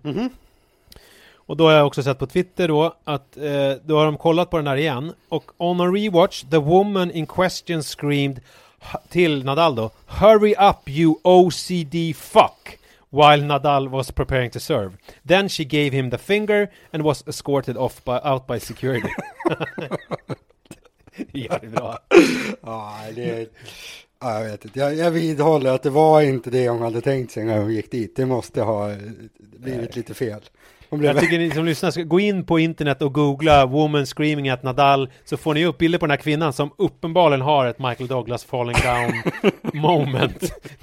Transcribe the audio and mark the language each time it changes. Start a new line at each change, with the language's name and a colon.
Swedish: Mm-hmm. Och då har jag också sett på Twitter då att då har de kollat på den här igen, och
English: on a rewatch the woman in question screamed
Swedish: till Nadal då,
English: hurry up you OCD fuck, while Nadal was preparing to serve. Then she gave him the finger and was escorted off by, out by security.
Swedish: Ja, det är bra. Ja, det, jag vet, jag vidhåller att det var inte det hon hade tänkt sig när hon gick dit. Det måste ha blivit lite fel. Jag tycker ni som lyssnar ska gå in på internet och googla
English: woman screaming at Nadal,
Swedish: så får ni upp bilder på den här kvinnan som uppenbarligen har ett Michael Douglas falling down moment.